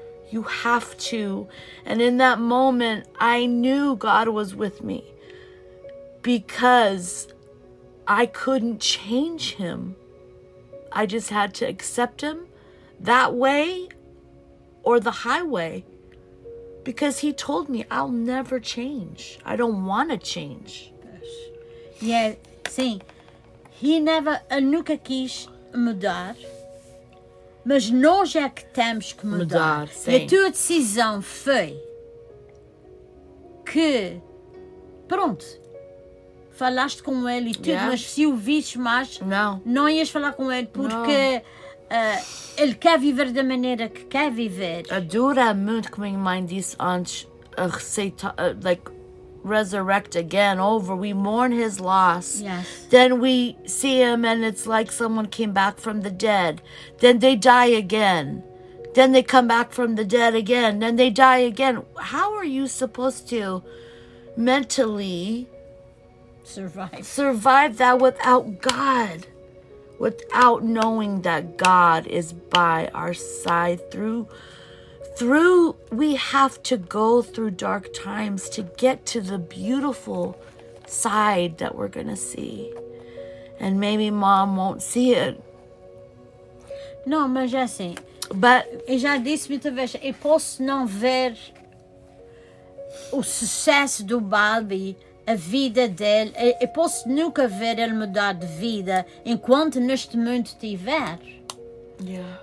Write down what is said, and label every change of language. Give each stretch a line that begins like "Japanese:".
English: You have to. And in that moment, I knew God was with me because I couldn't change him. I just had to accept him that way or the highway, because he told me I'll never change. I don't want to change. Yeah, sim. He never,
Portuguese: ele nunca quis mudar, mas nós é que temos que mudar. Sim. E a tua decisão foi que, pronto, falaste com ele e tudo, yeah. Mas se o visse mais, não ias falar com ele, porque... Não. Ele quer viver da maneira que quer viver. Adora muito, como minha mãe disse antes, a receita,
English: like, resurrect again, over. We mourn his loss. Yes. Then we see him and it's like someone came back from the dead. Then they die again. Then they come back from the dead again. Then they die again. How are you supposed to mentally survive that without God? Without knowing that God is by our side, through we have to go through dark times to get to the beautiful side that we're gonna see, and maybe Mom won't see it.
Portuguese: Não, mas é assim.
English: But
Portuguese: eu já disse muitas vezes, eu posso não ver o sucesso do Bobby. A vida dele, eu posso nunca ver ele mudar de vida enquanto neste mundo estiver. Yeah.